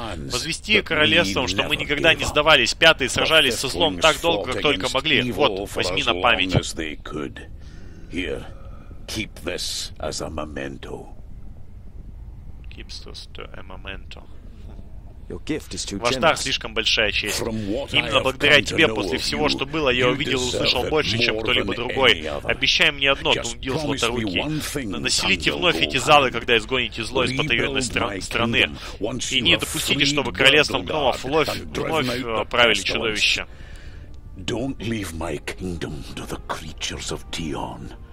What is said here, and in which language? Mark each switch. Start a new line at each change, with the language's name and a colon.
Russian: Возвести королевствам, что мы никогда не сдавались. Пятые сражались со злом так долго, как только могли. Вот, возьми на память.
English: Here, keep this as a memento. Keeps this to a memento. Your gift is too generous.
Russian: Ваш дар слишком большая честь. Именно благодаря тебе, после всего, что было, я увидел и услышал больше, чем кто-либо другой. Обещай мне одно, Тунгил Злоторукий. Населите вновь эти залы, когда изгоните зло из потаенной страны. И не допустите, чтобы королевством гномов вновь правили чудовища.
English: Don't leave my kingdom to the creatures of Teon.